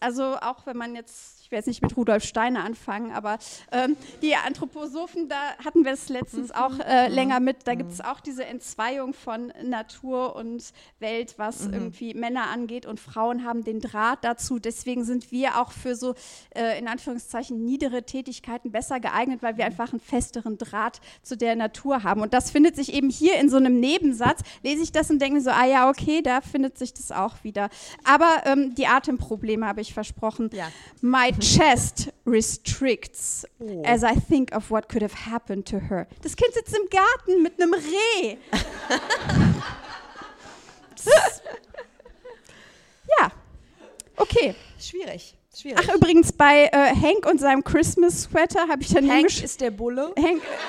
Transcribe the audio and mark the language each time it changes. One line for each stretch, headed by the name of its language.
German: Also auch wenn man jetzt, ich will jetzt nicht mit Rudolf Steiner anfangen, aber die Anthroposophen, da hatten wir es letztens auch länger mit, da gibt es auch diese Entzweiung von Natur und Welt, was irgendwie Männer angeht und Frauen haben den Draht dazu. Deswegen sind wir auch für so in Anführungszeichen niedere Tätigkeiten besser geeignet, weil wir einfach einen festeren Draht zu der Natur haben. Und das findet sich eben hier in so einem Nebensatz. Lese ich das und denke so, ah ja, okay, da findet sich das auch wieder. Aber die Atemprobleme habe ich versprochen. Ja.
English: My chest restricts as I think of what could have happened to her.
German: Das Kind sitzt im Garten mit einem Reh. Ja, okay. Schwierig, schwierig. Ach, übrigens, bei Hank und seinem Christmas-Sweater habe ich dann... Ist der Bulle. Hank.